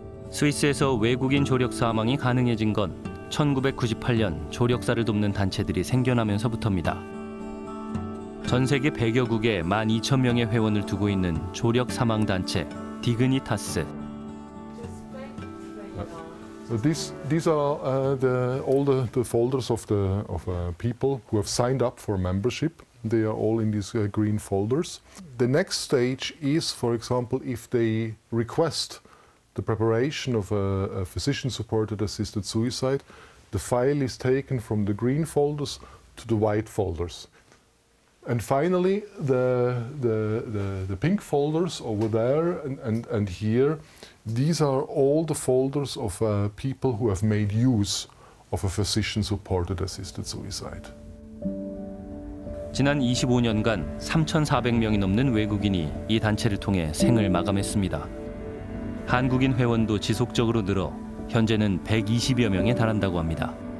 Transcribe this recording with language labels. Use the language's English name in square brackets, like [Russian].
[Korean] 스위스에서 외국인 조력 사망이 가능해진 건 1998년 조력사를 돕는 단체들이 생겨나면서부터입니다. 전 세계 100여 국에 12,000명의 회원을 두고 있는 조력 사망 단체 디그니타스. [English] These are all the folders of people who have signed up for membership. They are all in these green folders. The next stage is, for example, if they request the preparation of a physician-supported assisted suicide, the file is taken from the green folders to the white folders. And finally, the pink folders over there and here, these are all the folders of people who have made use of a physician-supported assisted suicide. [Korean] 지난 25년간 3,400명이 넘는 외국인이 이 단체를 통해 생을 마감했습니다. 한국인 회원도 지속적으로 늘어 현재는 120여 명에 달한다고 합니다.